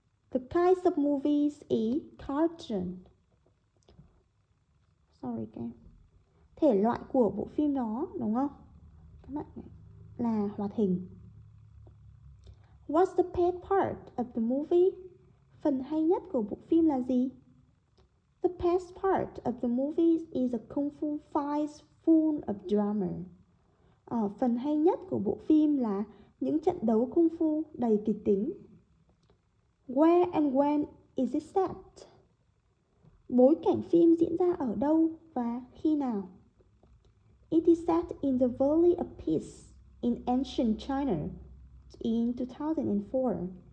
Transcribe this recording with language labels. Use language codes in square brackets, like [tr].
[en] The kinds of movies is cartoon. Sorry game. [vi] Thể loại của bộ phim đó đúng không? Các bạn là hoạt hình. [en] What's the best part of the movie? [vi] Phần hay nhất của bộ phim là gì? [en] The best part of the movie is a kung fu fight full of drama. [vi] Phần hay nhất của bộ phim là những trận đấu kung fu đầy kịch tính. [en] Where and when is it set? [vi] Bối cảnh phim diễn ra ở đâu và khi nào? [en] It is set in the Valley of Peace in ancient China in 2004.